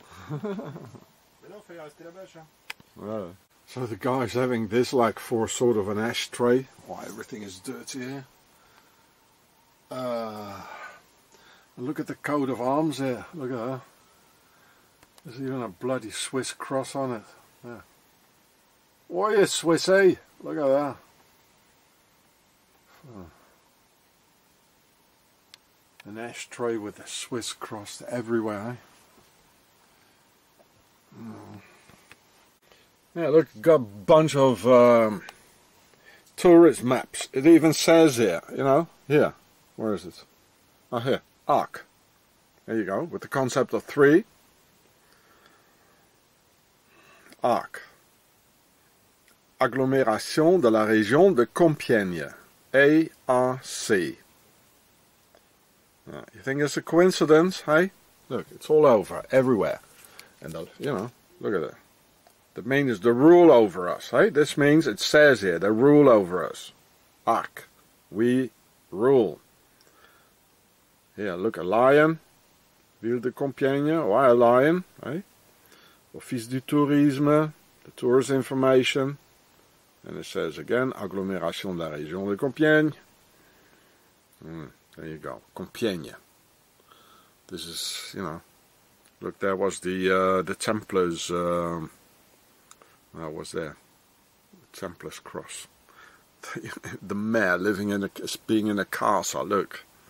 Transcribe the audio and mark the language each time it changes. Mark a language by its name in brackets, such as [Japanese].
[French] Mais là, il fallait rester la bâche. Ouais. [English] So the guy's having this like for sort of an ashtray. Why, everything is dirty here. Look at the coat of arms here. Look at that. There's even a bloody Swiss cross on it. Yeah. Why are you Swissy? Look at that. An ashtray with a Swiss cross everywhere. Eh? Yeah, look, got a bunch of tourist maps. It even says here, you know, here. Where is it? Oh, here, Arc. There you go, with the concept of three. [French] Arc. Agglomération de la région de Compiègne. [English] A-R-C. You think it's a coincidence, hey? Look, it's all over, everywhere. And, you know, look at that. That means the rule over us, hey? This means, it says here, the rule over us. Ark. We rule. Here, look, a lion. [French] Ville de Compiègne. [English] Why a lion, hey? [French] Office du Tourisme. [English] The tourist information. And it says again, [French] agglomération de la région de Compiègne. [English] There you go, Compiègne. This is, you know, look, there was the Templars, what was there? The Templars cross. The mayor living in a, being in a castle, look.